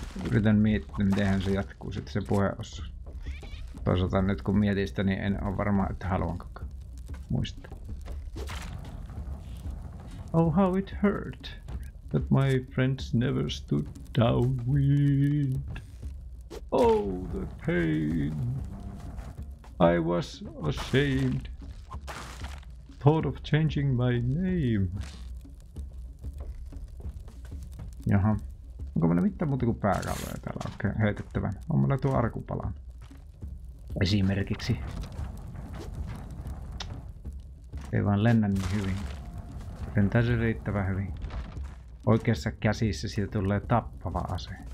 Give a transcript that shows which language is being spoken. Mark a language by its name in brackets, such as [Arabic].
[Finnish] Yritän miettiä, miten se jatkuu sitten se puheossa. Toisaalta nyt kun mietin sitä, niin en ole varma, että haluanko muistaa. [English] Oh, how it hurt that my friends never stood downwind. Oh, the pain. I was ashamed. Thought of changing my name. [Finnish] Jaha. Onko meillä mitään muuta kuin pääkalloja täällä okay, heitettävän? On meillä tuo arkupalan. Esimerkiksi. Ei vaan lennä niin hyvin. Lentää se riittävän hyvin. Oikeassa käsissä siitä tulee tappava ase.